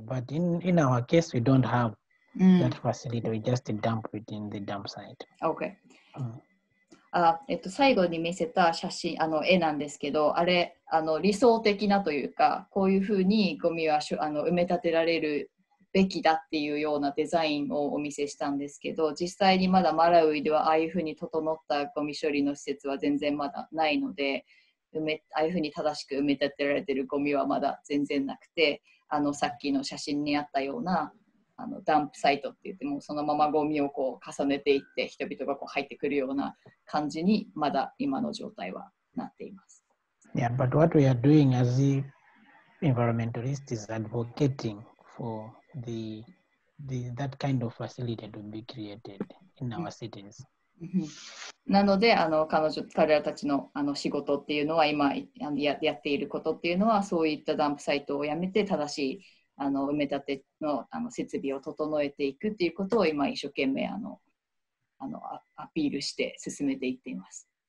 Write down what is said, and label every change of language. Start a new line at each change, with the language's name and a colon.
English: But in our case, we don't have that facility. We just dump it in the dump site. Okay.
Japanese: 最後に見せた写真、あの絵なんですけど、あれ、あの理想的なというか、こういうふうにゴミはあの埋め立てられるべきだっていうようなデザインをお見せしたんですけど、実際にまだマラウイではああいうふうに整ったゴミ処理の施設は全然まだないので、ああいうふうに正しく埋め立てられているゴミはまだ全然なくて、あのさっきの写真にあったようなあのダンプサイトって言ってもそのままゴミをこう重ねていって人々がこう入ってくるような感じにまだ今の状態はなっています。
English: Yeah, but what we are doing as the environmentalist is advocating for the that kind of facility to be created in our cities.
Japanese: なのであの彼らたち の, あの仕事っていうのは今 やっていることっていうのはそういったダンプサイトをやめて正しいあの埋め立て の, あの設備を整えていくっていうことを今一生懸命あのアピールして進めていっています。